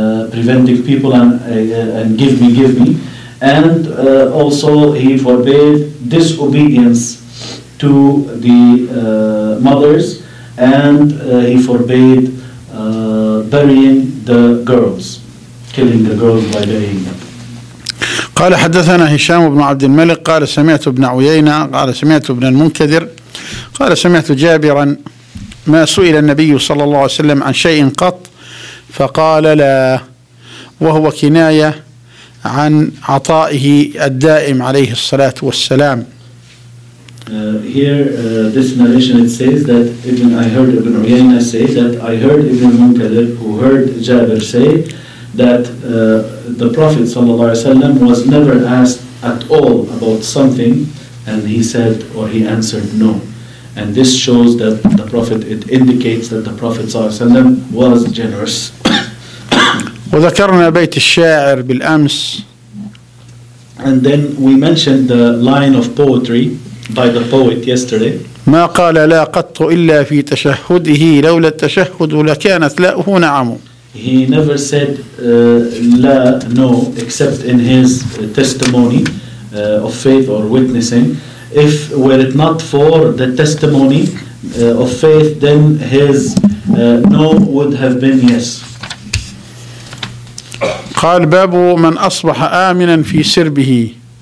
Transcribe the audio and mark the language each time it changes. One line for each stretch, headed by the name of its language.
English: preventing people and give me, and also he forbade disobedience to the mothers, and he forbade burying the girls, killing the girls by burying them.
Arabic: قال حدثنا هشام بن عبد الملك قال سمعت ابن عيينة قال سمعت ابن المنكدر قال سمعت جابرا ما سئل النبي صلى الله عليه وسلم عن شيء قط فقال لا وهو كناية عن عطائه الدائم عليه الصلاة والسلام.
English: Here this narration it says that even I heard Ibn Uyayna say that I heard Ibn Munkadir who heard Jabir say that the Prophet sallallahu alaihi wasallam was never asked at all about something and he said or he answered no. And this shows that the Prophet, it indicates that the Prophet sallallahu alaihi wasallam was generous.
Arabic: وذكرنا بيت الشاعر بالأمس.
English: And then we mentioned the line of poetry by the poet yesterday.
Arabic: ما قال لا قط إلا في تشهده لولا التشهد لكانت لاؤه نعم.
English: He never said la no except in his testimony of faith or witnessing. If were it not for the testimony of faith, then his no would have been yes.
Arabic: قال باب من أصبح آمنا في سربه.